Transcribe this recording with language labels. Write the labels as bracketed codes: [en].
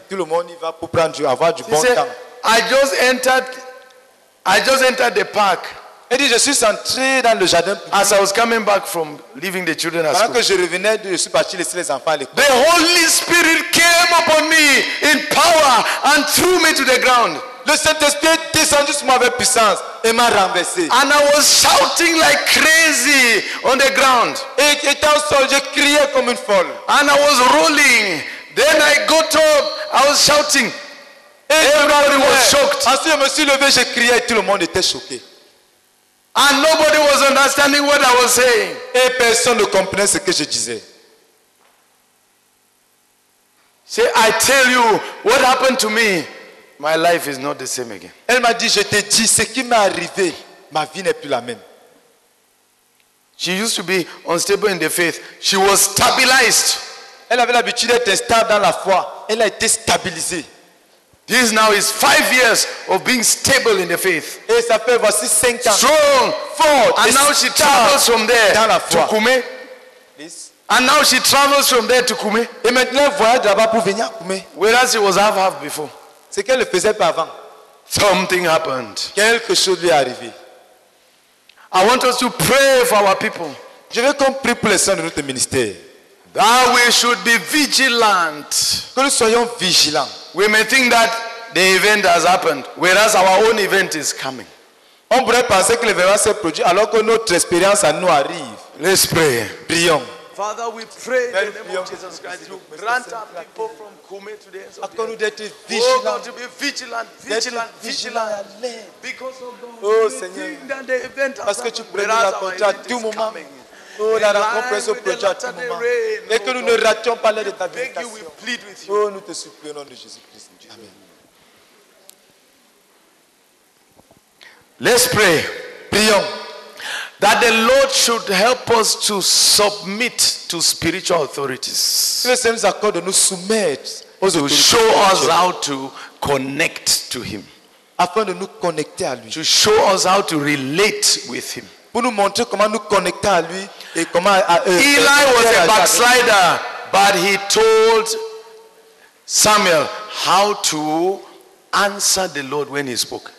[fr] Tout le monde y va pour prendre avoir du bon temps. [en] I just entered the park. [fr] Elle dit, je suis entré dans le jardin. [en] As I was coming back from leaving the children at school. [fr] Que je revenais, je suis parti laisser les enfants à l'école. [en] The Holy Spirit came upon me in power and threw me to the ground. [fr] Le Saint-Esprit descendu sur moi avec puissance et m'a renversé. [en] And I was shouting like crazy on the ground. [fr] Et étant seul, je criais comme une folle. [en] And I was rolling. Then I got up. I was shouting. Everybody was shocked. [fr] Ensuite, je me suis levé, je criais et tout le monde était choqué. [en] And nobody was understanding what I was saying. [fr] Et personne ne comprenait ce que je disais. [en] See, I tell you what happened to me. My life is not the same again. [fr] Elle m'a dit, je t'ai dit, ce qui m'est arrivé, ma vie n'est plus la même. [en] She used to be unstable in the faith. She was stabilized. [fr] Elle avait l'habitude d'être stable dans la foi. Elle a été stabilisée. [en] This now is 5 years of being stable in the faith. [fr] Et ça fait voici 5 ans. [en] Strong, [fr] fort. [en] And now she travels from there [fr] dans la foi. [en] To Kume. Please. And now she travels from there to Kume. [fr] Et maintenant elle voyage là-bas pour venir à Kume. [en] Whereas she was half before. [fr] C'est qu'elle le faisait pas avant. [en] Something happened. [fr] Quelque chose lui est arrivé. [en] I want us to pray for our people. [fr] Je veux qu'on prie pour les saints de notre ministère. [en] That we should be vigilant. [fr] Que nous soyons vigilants. [en] We may think that the event has happened, whereas our own event is coming. [fr] On pourrait penser que l'événement s'est produit alors que notre expérience à nous arrive. [en] Let's pray. [fr] Prions. [en] Father, we pray in the name of Jesus Christ. You grant our people from Kume to the ends of the earth. Vigilant. Oh God, to be vigilant, vigilant, vigilant. Because of God, oh, we Seigneur. Think that the event has happened. [fr] Parce que tu prends tout moment. Oh, la rencontre se produit à tout moment. Et que nous ne rations pas l'air de ta visitation. Oh, nous te supplions au nom de Jésus-Christ. Amen. [en] Let's pray. [fr] Prions. [en] That the Lord should help us to submit to spiritual authorities. To show us how to connect to Him. [fr] Afin de nous connecter à lui. [en] To show us how to relate with Him. [fr] Pour nous montrer comment nous connecter à lui et comment à eux. [en] Eli was a backslider, but he told Samuel how to answer the Lord when he spoke.